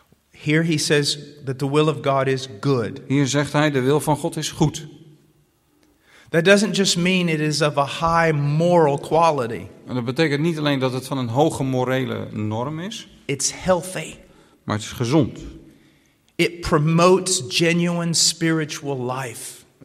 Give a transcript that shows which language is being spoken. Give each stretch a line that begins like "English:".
English: Here he says that the will of God is good.
Dutch: Hier zegt hij de wil van God is goed.
English: That doesn't just mean it is of a high moral quality.
Dutch: En dat betekent niet alleen dat het van een hoge morele norm is.
English: It's healthy.
Dutch: Maar het is gezond.
English: It promotes genuine spiritual life.